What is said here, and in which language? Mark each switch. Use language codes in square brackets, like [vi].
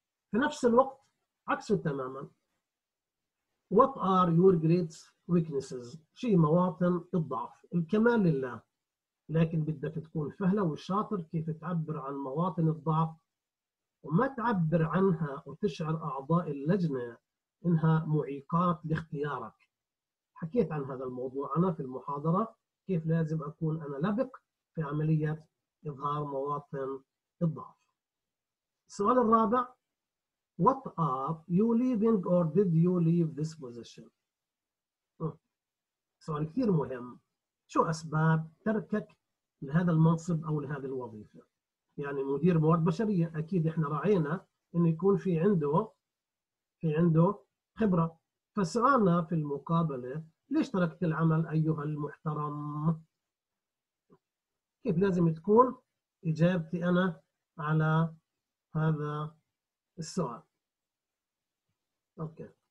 [ar] في نفس الوقت عكسه تماما، [en] What are your greatest weaknesses؟ [ar] شيء مواطن الضعف، الكمال لله، لكن بدك تكون فهلة وشاطر كيف تعبر عن مواطن الضعف، وما تعبر عنها وتشعر أعضاء اللجنة إنها معيقات لاختيارك. حكيت عن هذا الموضوع أنا في المحاضرة، كيف لازم أكون أنا لبق في عملية إظهار مواطن الضعف. السؤال الرابع: [en] What are you leaving or did you leave this position؟ [ar] سؤال كثير مهم. شو أسباب تركك لهذا المنصب أو لهذه الوظيفة؟ يعني مدير موارد بشرية أكيد إحنا رأينا إنه يكون في عنده خبرة. فسألنا في المقابلة: ليش تركت العمل أيها المحترم؟ كيف لازم تكون إجابتي أنا على هذا السؤال؟ أوكي.